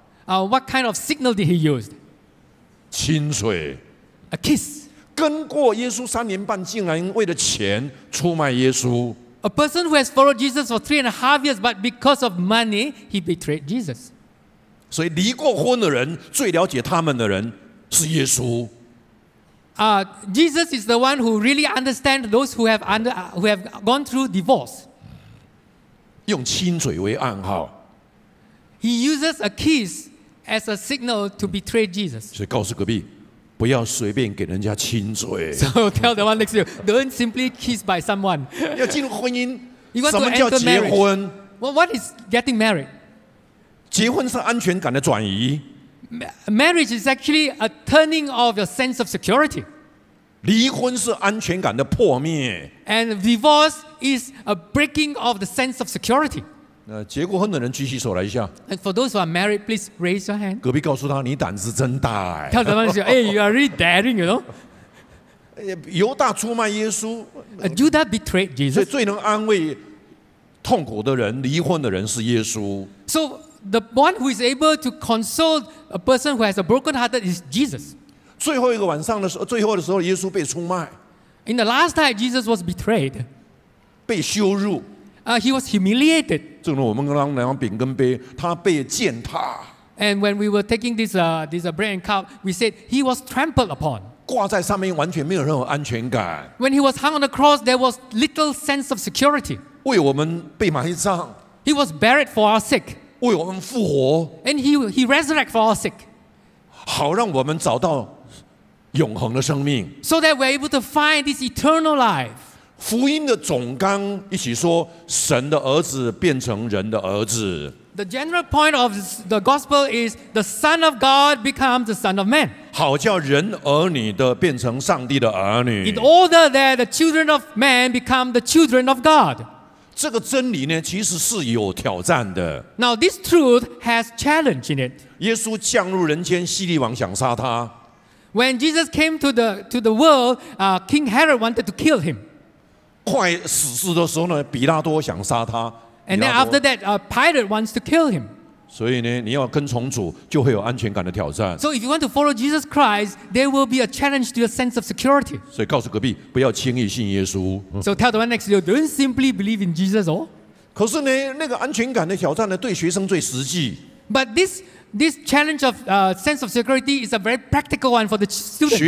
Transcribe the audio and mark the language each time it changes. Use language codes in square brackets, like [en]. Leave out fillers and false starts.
[en] What kind of signal did he use? [zh] 亲嘴。 [en] A kiss. [zh] 跟过耶稣三年半，竟然为了钱出卖耶稣。 [en] A person who has followed Jesus for 3.5 years, but because of money, he betrayed Jesus. [zh] 所以离过婚的人最了解他们的人是耶稣。 [en] Jesus is the one who really understands those who have gone through divorce. [zh] 用亲嘴为暗号。 [en] He uses a kiss as a signal to betray Jesus. [zh] 所以告诉隔壁，不要随便给人家亲嘴。 [en] So tell the one next to you, don't simply kiss by someone. [zh] 要进入婚姻，什么叫结婚 [en] ？Well, what is getting married? [zh] 结婚是安全感的转移。 [en] Marriage is actually a turning of your sense of security. [zh] 离婚是安全感的破灭。 [en] And divorce is a breaking of the sense of security. [zh] 结过婚的人举起手来一下。 [en] And for those who are married, please raise your hand. [zh] 隔壁告诉他，你胆子真大。 [en] Tell the man, "Hey, you are really daring, you know." [zh] 犹大出卖耶稣。 [en] Judas betrayed Jesus. [zh] 最能安慰痛苦的人、离婚的人是耶稣。 [en] So the one who is able to console a person who has a broken heart is Jesus. [zh] 最后一个晚上的时候，最后的时候，耶稣被出卖。 [en] In the last night, Jesus was betrayed. [zh] 被羞辱。 [en] He was humiliated. [zh] 正如我们刚刚拿饼跟杯，他被践踏。 [en] And when we were taking this bread and cup, we said he was trampled upon. [zh] 挂在上面完全没有任何安全感。 [en] When he was hung on the cross, there was little sense of security. [zh] 为我们被埋葬。 [en] He was buried for our sake. [zh] 为我们复活。 [en] And he resurrected for our sake. [zh] 好让我们找到永恒的生命。 [en] So that we're able to find this eternal life. [zh] 福音的总纲一起说，神的儿子变成人的儿子。 [en] The general point of the gospel is the Son of God becomes the Son of Man. [zh] 好叫人儿女的变成上帝的儿女。 [en] In order that the children of man become the children of God. [zh] 这个真理呢，其实是有挑战的。 [en] Now this truth has challenge in it. [zh] 耶稣降入人间，希律王想杀他。 [en] When Jesus came to the world, King Herod wanted to kill him. [zh] 快死事的时候呢，比拉多想杀他。 [en] And then after that, Pilate wants to kill him. [zh] 所以呢，你要跟从主，就会有安全感的挑战。 [en] So if you want to follow Jesus Christ, there will be a challenge to your sense of security. [zh] 所以告诉隔壁，不要轻易信耶稣。 [en] So tell the one next to you, don't simply believe in Jesus, oh. [zh] 可是呢，那个安全感的挑战呢，对学生最实际。 [en] But this challenge of sense of security is a very practical one for the students.